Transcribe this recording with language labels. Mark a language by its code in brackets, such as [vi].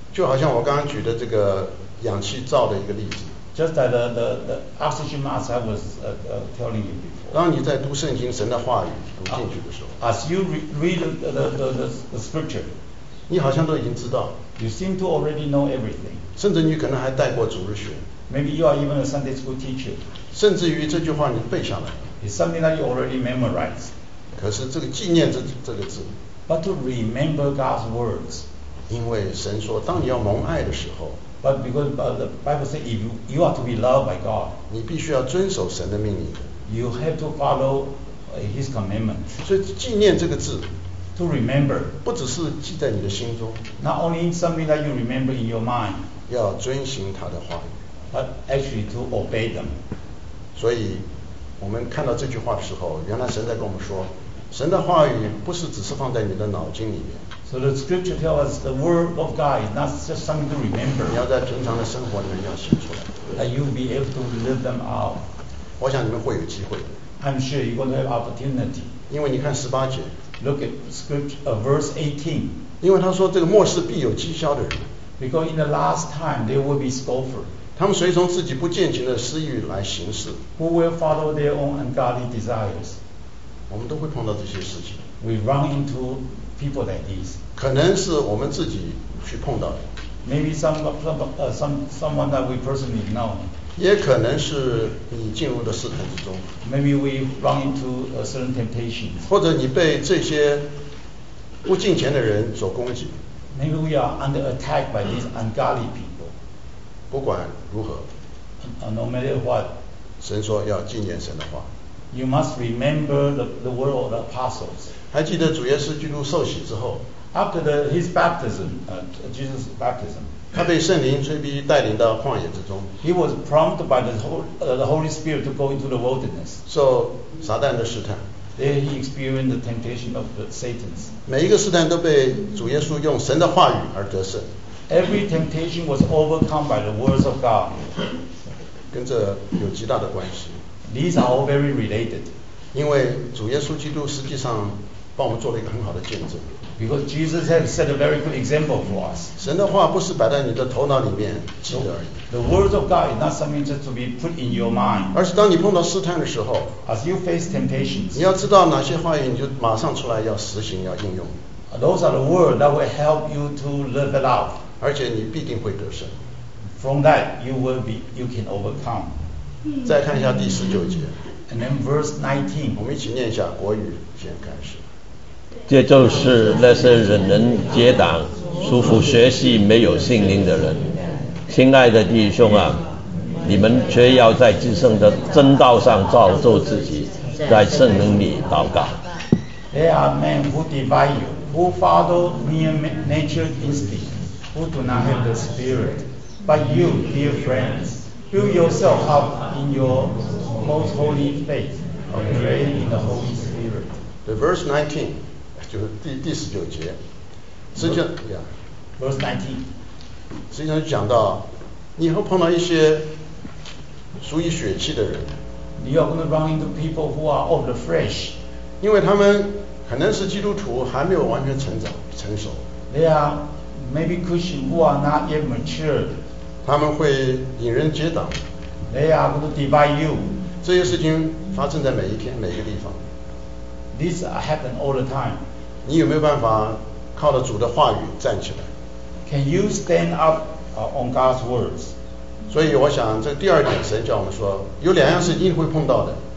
[zh] 就好像我刚刚举的这个氧气罩的一个例子。 [en] Just that the oxygen mask I was telling you before。 [zh] 当你在读圣经，神的话语读进去的时候。 [en] As you read the scripture。 [zh] 你好像都已经知道。 [en] You seem to already know everything. [zh] 甚至你可能还带过主日学。 [en] Maybe you are even a Sunday school teacher. [zh] 甚至于这句话你背下来。 [en] It's something that you already memorized. [zh] 可是这个纪念这个字。 [en] But to remember God's words. [zh] 因为神说，当你要蒙爱的时候。 [en] But because the Bible says if you are to be loved by God. [zh] 你必须要遵守神的命令。 [en] You have to follow His commandment. [zh] 所以纪念这个字。 [en] To remember， [zh] 不只是记在你的心中。 [en] Not only something that you remember in your mind， [zh] 要遵循他的话语。 [en] But actually to obey them。 [zh] 所以，我们看到这句话的时候，原来神在跟我们说，神的话语不是只是放在你的脑筋里面。 [en] So the scripture tells us the word of God is not just something to remember。 [zh] 你要在平常的生活里面要写出来。 [en] That you be able to live them out。 [zh] 我想你们会有机会。 [en] I'm sure you're going to have opportunity。 [zh] 因为你看十八节。 [en] Look at scripture, verse 18. [zh] 因为他说这个末世必有讥诮的人。 [en] Because in the last time there will be scoffer. [zh] 他们随从自己不敬虔的私欲来行事。 [en] Who will follow their own ungodly desires? [zh] 我们都会碰到这些事情。 [en] We run into people like these. [zh] 可能是我们自己去碰到的。 [en] Maybe someone that we personally know. [zh] 也可能是你进入的试探之中。 [en] Maybe we run into a certain temptation. [zh] 或者你被这些不敬虔的人所攻击。 [en] Maybe we are under attack by these ungodly people. [zh] 不管如何。 [en] No matter what. [zh] 神说要纪念神的话。 [en] You must remember the word of the apostles. [zh] 还记得主耶稣基督受洗之后。 [en] After his baptism, Jesus' baptism, [zh] 他被圣灵催逼带领到旷野之中。 [en] He was prompted by the Holy Spirit to go into the wilderness. [zh] So, 撒旦的试探。 [en] there he experienced the temptation of the Satan's. [zh] 每一个试探都被主耶稣用神的话语而得胜。 [en] Every temptation was overcome by the words of God. [zh] 跟这有极大的关系。 [en] These are all very related. [zh] 因为主耶稣基督实际上帮我们做了一个很好的见证。 [en] Because Jesus has set a very good example for us. [zh] 神的话不是摆在你的头脑里面记得而已。 [en] The words of God is not something just to be put in your mind. [zh] 而是当你碰到试探的时候， [en] as you face temptations, [zh] 你要知道哪些话语你就马上出来要实行要应用。 [en] Those are the words that will help you to live it out. [zh] 而且你必定会得胜。 [en] From that, you can overcome. [zh] 再看一下第十九节。 [en] And then verse 19. [zh] 我们一起念一下国语先开始。这就是那些忍人结党束缚学习没有信心的人。亲爱的弟兄啊，你们却要在至圣的真道上造就自己，在圣灵里祷告。 [en] There are men who divide you, who follow mere nature instinct, who do not have the spirit. But you, dear friends, build yourself up in your most holy faith, and pray in the Holy Spirit. The verse 19 [zh] 就是第十九节，实际上 [en] ，verse 19， [zh] 实际上就讲到，你会碰到一些属于血气的人 [en] ，you are going to run into people who are of the flesh， [zh] 因为他们可能是基督徒，还没有完全成熟 [en] ，they are maybe Christian who are not yet matured， [zh] 他们会引人结党 [en] ，they are going to divide you， [zh] 这些事情发生在每一天每一个地方。 [en] This happens all the time. [zh] 你有没有办法靠着主的话语站起来？ [en] Can you stand up on God's words? [zh] 所以我想这第二点神叫我们说有两样事一定会碰到的。